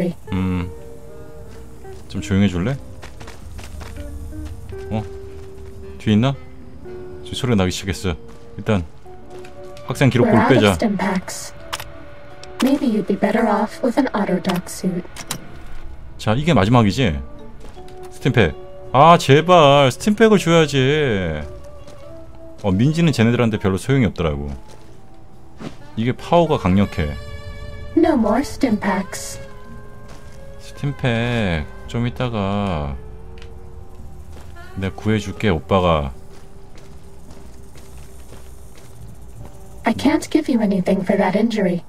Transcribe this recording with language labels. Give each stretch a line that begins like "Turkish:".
Korean: 좀 조용해 줄래? 어? 뒤 있나? 지금 소리가 나기 시작했어. 일단 학생 기록부를 빼자.
English: Maybe you'd be better off with an auto dock suit.
Korean: 자, 이게 마지막이지? 스팀팩. 아, 제발 스팀팩을 줘야지. 어, 민지는 쟤네들한테 별로 소용이 없더라고. 이게 파워가 강력해.
English: No more stim packs.
Korean: 스팀팩 좀 이따가 내가 구해줄게. 오빠가
English: I can't give you anything for that injury.